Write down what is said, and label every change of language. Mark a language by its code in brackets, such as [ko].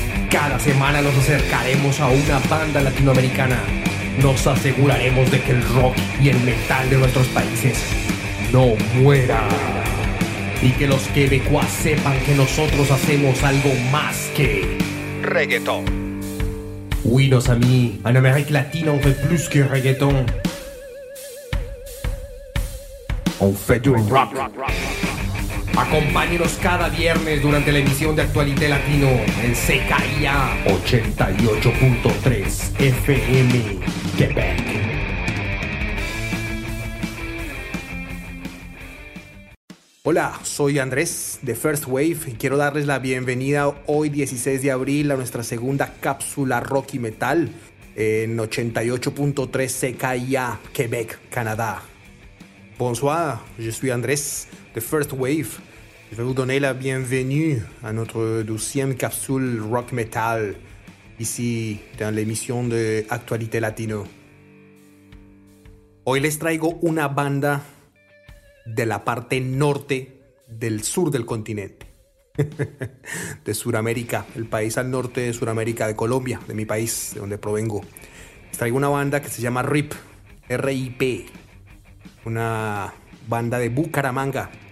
[es] Cada semana nos acercaremos a una banda latinoamericana. Nos aseguraremos de que el rock y el metal de nuestros países no muera. Y que los quebecuas sepan que nosotros hacemos algo más que reggaetón. [fr] Oui, nos amis, en Amérique latine on fait plus que reggaetón. On fait du rock. [es] Acompáñenos cada viernes durante la emisión de Actualité Latino en CKIA 88.3 FM Quebec. Hola, soy Andrés de First Wave y quiero darles la bienvenida hoy 16 de abril a nuestra segunda cápsula rock y metal en 88.3 CKIA Quebec, Canadá. [fr] Bonsoir, je suis Andrés de First Wave. Je vais vous donner la bienvenue à notre 12e capsule rock metal ici dans l'émission de Actualité Latino. [es] Hoy les traigo una banda de la parte norte del sur del continente, de Sudamérica, el país al norte de Sudamérica, de Colombia, de mi país, de donde provengo. Les traigo una banda que se llama RIP, R-I-P, una banda de Bucaramanga.